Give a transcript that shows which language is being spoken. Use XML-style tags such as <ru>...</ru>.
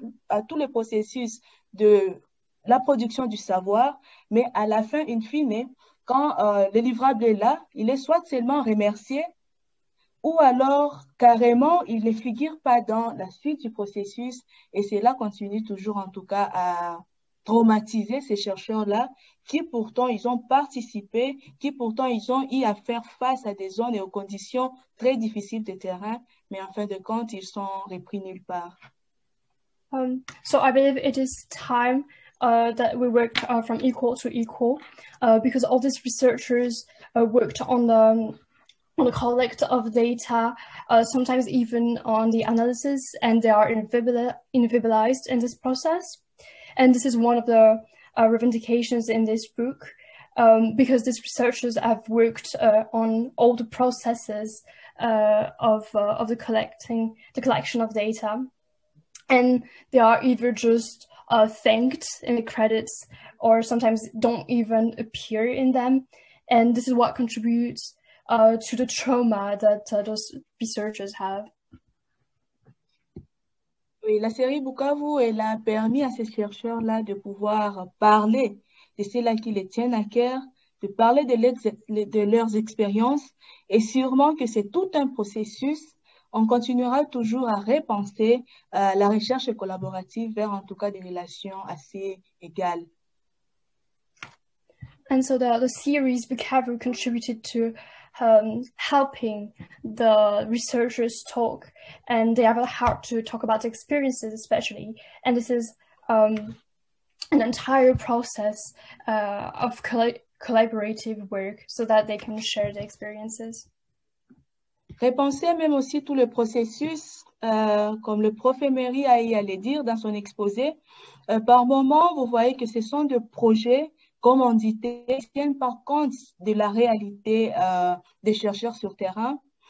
<fr>à tous les processus de la production du savoir, mais à la fin, in fine, quand le livrable est là, il est soit seulement remercié ou alors carrément il ne figure pas dans la suite du processus et cela continue toujours en tout cas à traumatiser ces chercheurs-là qui pourtant ils ont participé, qui pourtant ils ont eu à faire face à des zones et aux conditions très difficiles de terrain, mais en fin de compte, ils sont repris nulle part.</fr> <en>So I believe it is time that we worked from equal to equal because all these researchers worked on the collect of data, sometimes even on the analysis, and they are invisibilized in this process. And this is one of the revendications in this book, because these researchers have worked on all the processes of the collecting, the collection of data. And they are either just thanked in the credits or sometimes don't even appear in them. And this is what contributes to the trauma that those researchers have.</en> <fr>Oui, la série Bukavu, elle a permis à ces chercheurs-là de pouvoir parler de ceux-là qui les tiennent à cœur, de parler de leurs expériences, et sûrement que c'est tout un processus. On continuera toujours à repenser la recherche collaborative vers, en tout cas, des relations assez égales.</fr> <en>And so the series Bukavu contributed to helping the researchers talk, and they have a heart to talk about experiences especially, and this is an entire process of collaborative work so that they can share the experiences.</en> <fr>Repenser même aussi tout le processus, comme le prof Emery a y allé dire dans son exposé, par moment vous voyez que ce sont des projets commanditées, tiennent par compte de la réalité des chercheurs sur terrain.</fr>